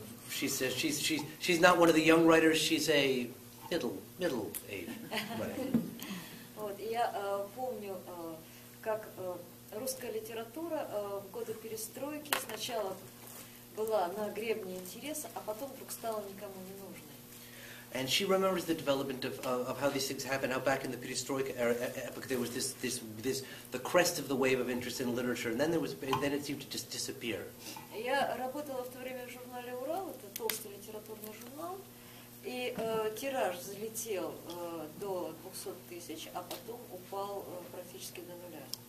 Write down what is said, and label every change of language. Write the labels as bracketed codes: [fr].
[en] She says she's not one of the young writers. She's a middle age writer. [ru] я помню, как русская литература в годы перестройки сначала была на гребне интереса, а потом вдруг стала никому не нужной. [en] And she remembers the development of how these things happened, how back in the perestroika era, epoch, there was this the crest of the wave of interest in literature, and then then it seemed to just disappear. [ru] Я работала в то время в журнале «Урал», это толстый литературный журнал, и тираж взлетел до 200 000, а потом упал практически до нуля.